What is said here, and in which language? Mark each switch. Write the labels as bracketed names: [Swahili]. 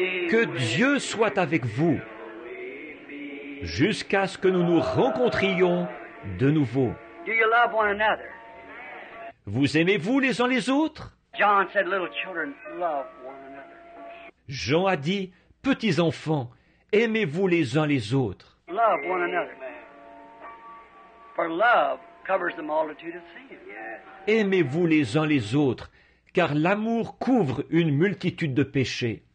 [French] Que Dieu soit avec vous jusqu'à ce que nous nous rencontrions de nouveau. [English] Do you love one another? [French] Vous aimez-vous les uns les autres? [English] John said, little children, love one another. [French] Jean a dit, petits enfants, aimez-vous les uns les autres. [English] Love one another. For love covers the multitude of sin. [French] Aimez-vous les uns les autres, car l'amour couvre une multitude de péchés.